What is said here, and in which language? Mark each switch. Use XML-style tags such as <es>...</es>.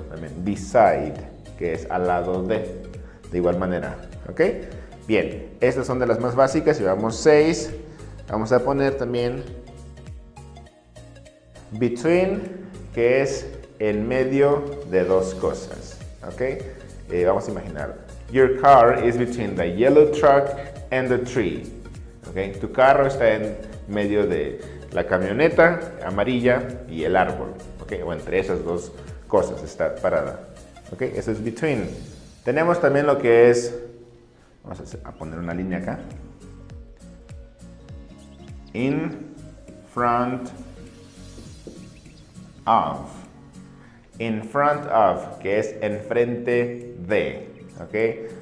<es>También beside, que es al lado de. De igual manera. ¿Ok? Bien. Estas son de las más básicas. Llevamos 6. Vamos a poner también between, que es en medio de dos cosas. ¿Ok? Vamos a imaginar.</es> <en>Your car is between the yellow truck and the tree. Okay?</en> <es>Tu carro está en medio de la camioneta amarilla y el árbol.</es> <en>Okay?</en> <es>O entre esas dos cosas está parada. Okay? Eso es between. Tenemos también lo que es, vamos a poner una línea acá.</es> <en>In front of.</en> <es>In front of, que es enfrente de. Okay.</es>